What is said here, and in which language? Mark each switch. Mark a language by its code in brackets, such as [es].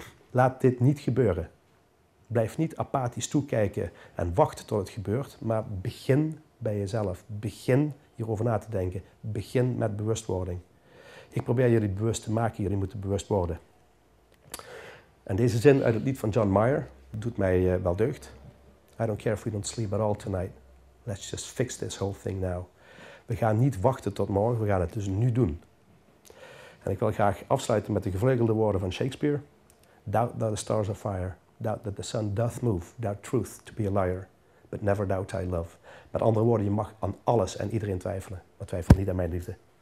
[nl] Laat dit niet gebeuren. Blijf niet apathisch toekijken en wachten tot het gebeurt, maar begin bij jezelf. Begin hierover na te denken. Begin met bewustwording. Ik probeer jullie bewust te maken, jullie moeten bewust worden. En deze zin uit het lied van John Mayer doet mij wel deugd. [en] I don't care if we don't sleep at all tonight. Let's just fix this whole thing now. [nl] We gaan niet wachten tot morgen, we gaan het dus nu doen. En ik wil graag afsluiten met de gevleugelde woorden van Shakespeare. [en] Doubt that the stars are fire. Doubt that the sun doth move. Doubt truth to be a liar. But never doubt thy love. [nl] Met andere woorden, je mag aan alles en iedereen twijfelen. Maar twijfel niet aan mijn liefde.